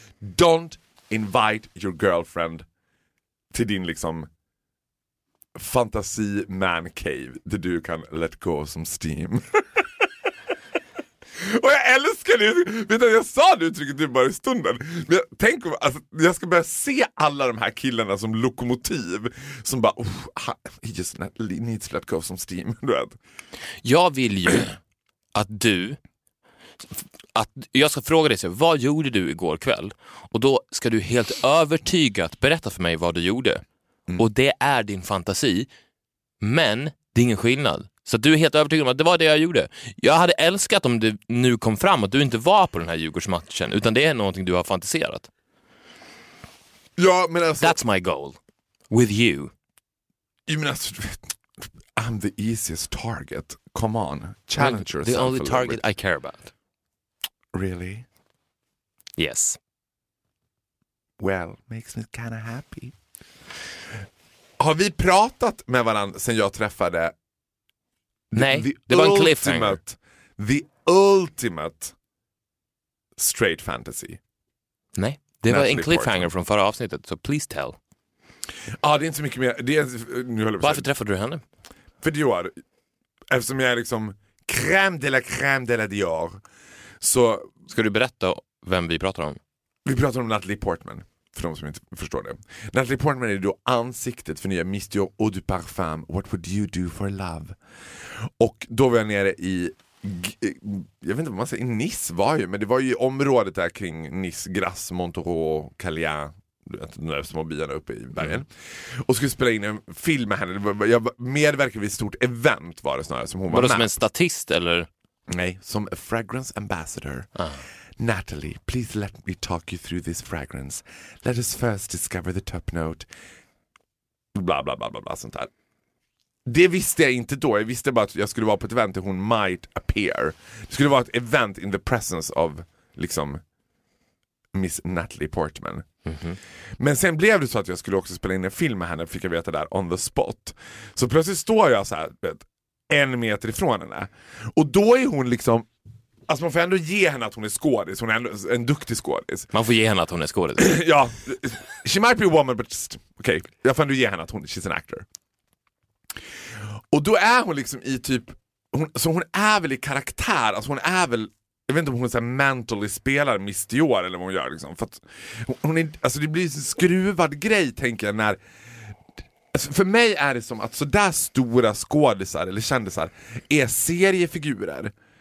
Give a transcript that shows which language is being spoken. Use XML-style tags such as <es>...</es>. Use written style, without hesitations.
<en>Don't invite your girlfriend</en> <sv>till din liksom</sv> <en>fantasy man cave</en> <sv>där du kan</sv> <en>let go of some steam.</en> <sv>Och jag älskar det. Vet du, jag sa det uttrycket bara i stunden. Men jag, tänk, alltså, jag ska börja se alla de här killarna som lokomotiv. Som bara,</sv> <en>he just needs to let go of some steam.</en> <sv>Du vet. Jag vill ju att du, att jag ska fråga dig, vad gjorde du igår kväll? Och då ska du helt övertygat berätta för mig vad du gjorde. Mm. Och det är din fantasi. Men det är ingen skillnad. Så att du är helt övertygad om att det var det jag gjorde. Jag hade älskat om det nu kom fram att du inte var på den här Djurgårdsmatchen, utan det är någonting du har fantiserat. Ja, men alltså...</sv> <en>That's my goal. With you. Jag menar, alltså, I'm the easiest target. Come on. Challenge yourself. The only target I care about. Really? Yes. Well, makes me kind of happy.</en> <sv>Har vi pratat med varandra sen jag träffade... Nej, det var en cliffhanger.</sv> <en>The ultimate straight fantasy.</en> <sv>Nej, det var en cliffhanger från förra avsnittet, så</sv> <en>please tell.</en> <sv>Ja, det är inte så mycket mer. Det är, nu håller jag på. Varför träffade du henne? För Dior. Eftersom jag är liksom crème de la Dior. Så ska du berätta vem vi pratar om? Vi pratar om Natalie Portman, för de som inte förstår det. Natalie Portman är då ansiktet för nya Miss Dior Eau de Parfum, What Would You Do For Love. Och då var jag nere i, jag vet inte vad man säger, Nice var ju, men det var ju området där kring Nice, Grasse, Montereau, Callien, den där små byarna uppe i bergen. Och skulle spela in en film med henne. Jag medverkade vid ett stort event, var det snarare, som hon var med. Som en statist eller? Nej, som</sv> <en>a fragrance ambassador. Ah. Natalie, please let me talk you through this fragrance. Let us first discover the top note.</en> <sv>bla bla bla bla bla sånt där. Det visste jag inte då. Jag visste bara att jag skulle vara på ett event där hon</sv> <en>might appear.</en> <sv>Det skulle vara ett event</sv> <en>in the presence of</en> <sv>liksom Miss Natalie Portman. Mm-hmm. Men sen blev det så att jag skulle också spela in en film med henne, fick jag veta där,</sv> <en>on the spot.</en> <sv>Så plötsligt står jag så här, vet, en meter ifrån henne. Och då är hon liksom, alltså man får ändå ge henne att hon är skådis. Hon är en duktig skådis. Man får ge henne att hon är skådis.</sv> <en>Ja, she might be a woman, but just, okay.</en> <sv>Jag får ändå ge henne att hon,</sv> <en>she's an actor.</en> <sv>Och då är hon liksom i typ hon, så hon är väl i karaktär. Alltså hon är väl, jag vet inte om hon så här mentally spelar Miss Dior eller vad hon gör liksom. För att hon är, alltså det blir en skruvad grej, tänker jag, när, alltså för mig är det som att så där stora skådisar eller kändisar är seriefigurer.</sv>